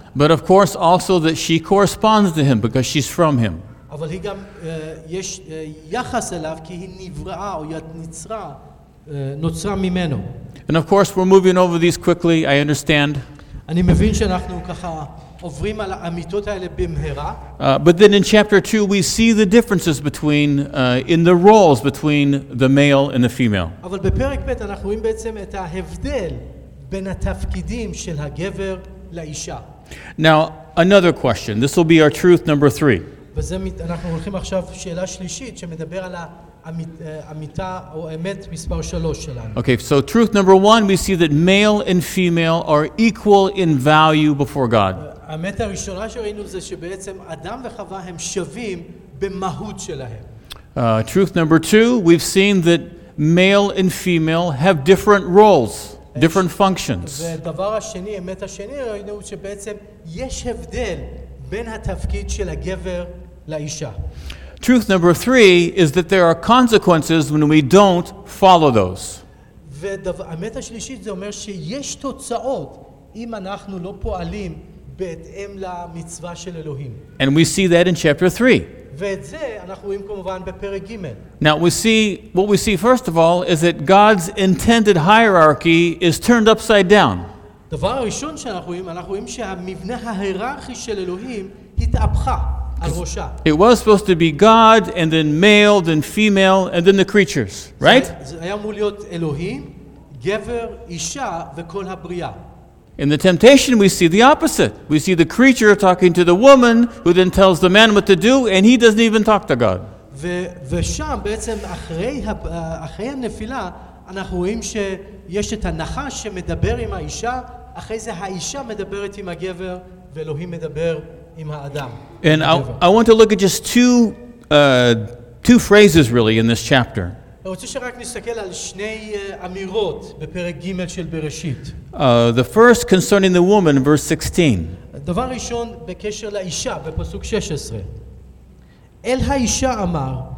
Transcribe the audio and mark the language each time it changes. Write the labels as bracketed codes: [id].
[en] But of course also that she corresponds to him because she's from him. [he] אבל היא גם יש יחס אליו כי היא נבראה או נצרה נוצרה ממנו. [en] And of course we're moving over these quickly, I understand. [he] אני מבין שאנחנו ככה עוברים על האמיתות האלה במהרה. [en] But then in chapter 2 we see the differences between in the roles between the male and the female. [he] אבל בפרק ב' אנחנו רואים בעצם את ההבדל בין התפקידים של הגבר לאישה. [en] Now, another question. This will be our truth number 3. [he] וזה אנחנו הולכים עכשיו שאלה שלישית שמדבר על האמיתה או אמת מספר 3 שלנו. [en] Okay, so truth number 1, we see that male and female are equal in value before God. [he] האמת הראשונה שראינו זה שבעצם אדם וחווה הם שווים במהות שלהם. [en] Truth number 2, we've seen that male and female have different roles. Different functions. [he] והדבר השני, האמת השני, ראינו שבעצם יש הבדל בין התפקיד של הגבר לאישה. [en] Truth number 3 is that there are consequences when we don't follow those. [he] והאמת השלישית זה אומר שיש תוצאות אם אנחנו לא פועלים בהתאם למצווה של אלוהים. [en] And we see that in chapter 3. [he] ואת זה אנחנו רואים כמובן בפרק ג'. [en] Now we see, what we see first of all is that God's intended hierarchy is turned upside down. [he] דבר הראשון שאנחנו רואים, אנחנו רואים שהמבנה ההיררכי של אלוהים התהפכה על ראשה. [en] It was supposed to be God and then male, then female, and then the creatures, right? [he] זה היה אמור להיות אלוהים, גבר, אישה וכל הבריאה. [en] In the temptation, we see the opposite. We see the creature talking to the woman, who then tells the man what to do, and he doesn't even talk to God. [he] ושם בעצם אחרי הנפילה, אנחנו רואים שיש את הנחש שמדבר עם האישה, אחרי זה האישה מדברת עם הגבר, ואלוהים מדבר עם האדם. [en] And I want to look at just two phrases really in this chapter. [he] אני רוצה שרק נסתכל על שני אמירות בפרק ג' של בראשית. [en] The first concerning the woman, verse 16. [he] דבר ראשון בקשר לאישה, בפסוק 16. אל האישה אמר,